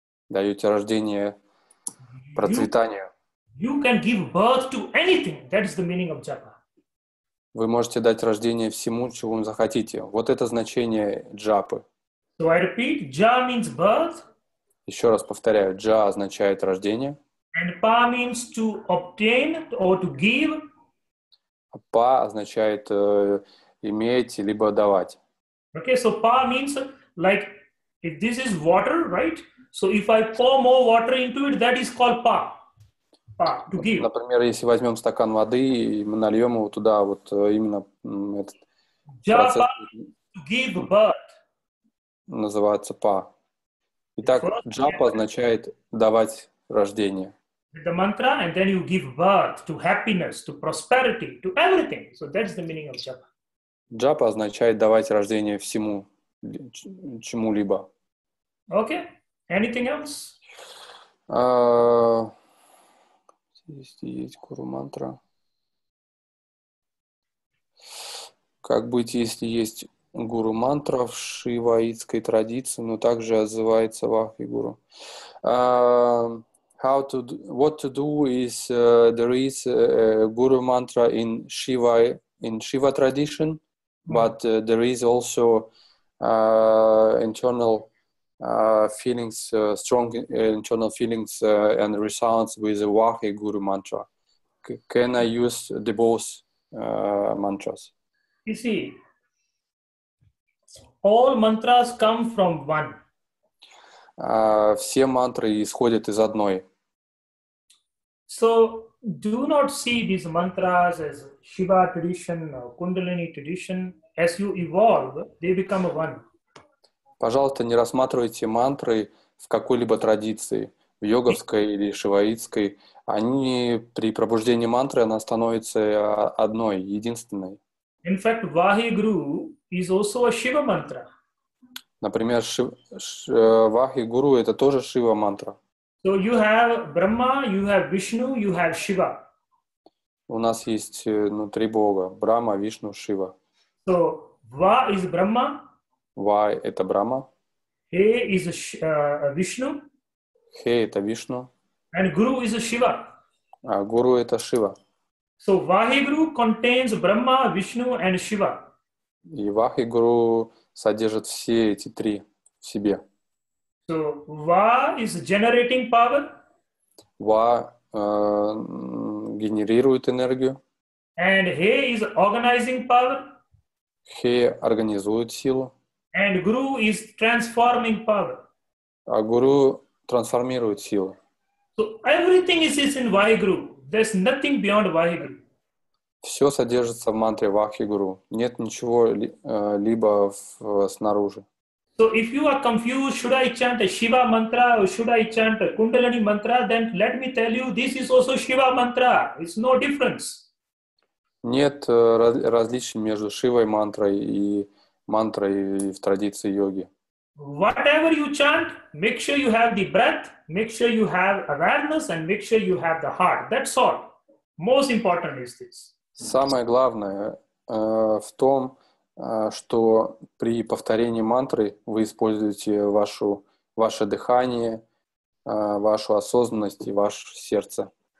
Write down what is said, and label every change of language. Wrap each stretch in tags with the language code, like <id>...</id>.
<ru>Даете рождение процветанию.</ru> <en>You can give birth to anything. That is the meaning of japa.</en> <ru>Вы можете дать рождение всему, чего вы захотите. Вот это значение джапы.</ru> <en>So I repeat, ja means birth.</en> <ru>Еще раз повторяю, джа означает рождение.</ru> <en>And pa means to obtain or to give.</en> <ru>Pa означает иметь либо давать.</ru> <en>Okay, so pa means like if this is water, right? So if I pour more water into it, that is called pa. Pa to give.</en> <ru>Например, если возьмем стакан воды и мы нальем его туда, вот именно этот</ru> <en>ja, процесс. Pa, to give birth.</en> <ru>Называется pa. Итак, джапа означает давать рождение.</ru> <en>The mantra, and then you give birth to happiness, to prosperity, to everything. So that's the meaning of japa.</en> <ru>Джапа означает давать рождение всему, чему-либо.</ru> <en>Okay. Anything else?</en> <ru>Здесь есть гуру-мантра. Как быть, если есть гуру-мантра в шиваитской традиции, но также отзывается вахи-гуру?</ru> <en>What to do is there is a guru mantra in Shiva tradition, but there is also internal feelings, strong internal feelings and resounds with the Vahe guru mantra. Can I use the both mantras? You see, all mantras come from one.</en> <ru>Все мантры исходят из одной.</ru> <en>So, do not see these mantras as Shiva tradition or Kundalini tradition. As you evolve, they become one.</en> <ru>Пожалуйста, не рассматривайте мантры в какой-либо традиции, в йоговской или шиваитской. Они при пробуждении мантры она становится одной, единственной.</ru> <en>In fact, Vaheguru is also a Shiva mantra.</en> <ru>Например, Vaheguru — это тоже Шива мантра.</ru> <en>So you have Brahma, you have Vishnu, you have Shiva.</en> <ru>У нас есть внутри Бога Брахма, Вишну, Шива.</ru> <en>So Va is Brahma.</en> <ru>Va это Брахма.</ru> <en>He is Vishnu.</en> <ru>He это Вишну.</ru> <en>And Guru is Shiva.</en> <ru>А Гуру это Шива.</ru> <en>So Vaheguru contains Brahma, Vishnu and Shiva.</en> <ru>И Vaheguru содержит все эти три в себе.</ru> <en>So, Va is generating power.</en> <ru>Va генерирует энергию.</ru> <en>And He is organizing power.</en> <ru>He организует силу.</ru> <en>And Guru is transforming power.</en> <ru>А Гуру трансформирует силу.</ru> <en>So, everything is in Vaheguru. There's nothing beyond Vaheguru.</en> <ru>Все содержится в мантре Vaheguru. Нет ничего либо снаружи.</ru> <en>So if you are confused, should I chant a Shiva mantra or should I chant a Kundalini mantra, then let me tell you, this is also Shiva mantra. It's no difference.</en> <ru>Нет различий между Шивой мантрой и мантрой в традиции йоги.</ru> <en>Whatever you chant, make sure you have the breath, make sure you have awareness and make sure you have the heart. That's all. Most important is this.</en> <ru>Самое главное в том, что при повторении мантры вы используете ваше дыхание, вашу осознанность и ваше сердце.</ru>